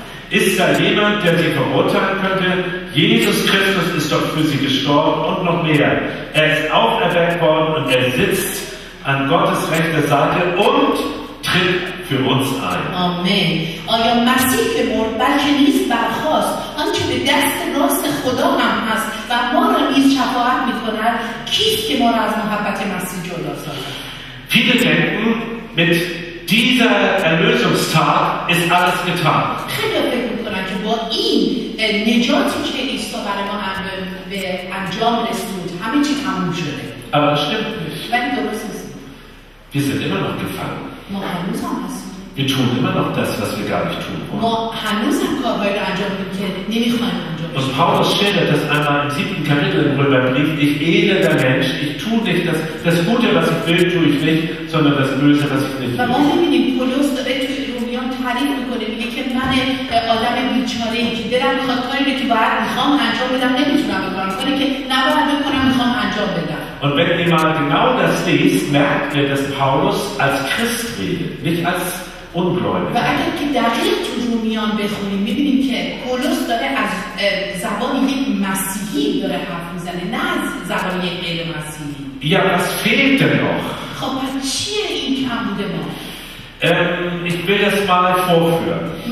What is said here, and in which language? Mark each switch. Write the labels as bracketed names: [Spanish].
[German] Ist da jemand, der sie verurteilen könnte? Jesus Christus ist doch für sie gestorben und noch mehr. Er ist auferweckt worden und er sitzt an Gottes rechter Seite und tritt für uns ein. Amen. [Persian] آیا مسیح که مرد بلکه نیز برخاست، آنچه به دست راست خدا هم هست و ما را نیز شفاعت میکند، کیست که ما را از محبت مسیح جدا سازد؟ [German] Viele denken, mit dieser Erlösungstat ist alles getan. [Persian] خیلی فکر میکنند که با این نجاتی که عیسی برای ما به انجام رسوند همه چی تموم شده. [German] Aber das stimmt nicht. [Persian] ولی درست نیست. [German] Wir sind immer noch gefangen. [Persian] ما هنوز هم هستیم. [German] Wir tun immer noch das, was wir gar nicht tun wollen. Und Paulus schildert das einmal im 7. Kapitel im Römerbrief: Ich elender Mensch, ich tue nicht das Gute, was ich will, tue ich nicht, sondern das Böse, was ich nicht will. [Persian] تعریف میکنه میگه که من آدم بیچاره ای که دلم میخواد کاری رو که باید میخوام انجام بدم نمیتونم بکنم، کاری که نباید بکنم میخوام انجام بدم. [German] Und wenn jemand genau das liest, merkt er, dass Paulus als Christ redet, nicht als Ungläubiger. [Persian] و اگر که دقیق تو رومیان بخونیم میبینیم که پولس داره از زبان یک مسیحی داره حرف میزنه، نه از زبان یک غیر مسیحی. [German] Ja, was fehlt denn noch? [Persian] خب پس چیه این کم بوده ما؟ [German] Ich will das mal vorführen.